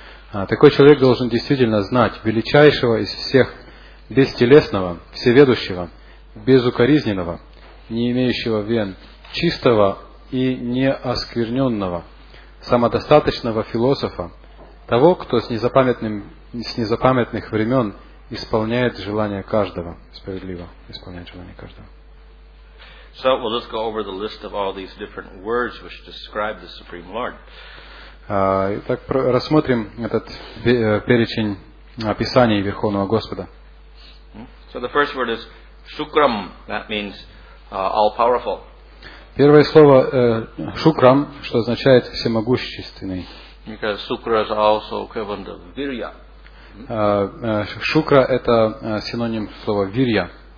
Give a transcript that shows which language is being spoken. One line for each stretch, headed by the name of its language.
Russian: Такой человек должен действительно знать величайшего из всех бестелесного, всеведущего, безукоризненного, не имеющего вен, чистого и неоскверненного, самодостаточного философа, того, кто с незапамятных времен исполняет желание каждого, справедливо исполняет желание каждого.
English: So we'll just go over the list of all these different words which describe the Supreme Lord.
Russian: Итак, рассмотрим этот перечень описаний Верховного Господа.
English: So the first word is Shukram, that means all powerful.
Russian: Первое слово Shukram, что означает всемогущественный.
English: Because Shukra is also equivalent to Virya.
Russian: Шукра это синоним слова вирья.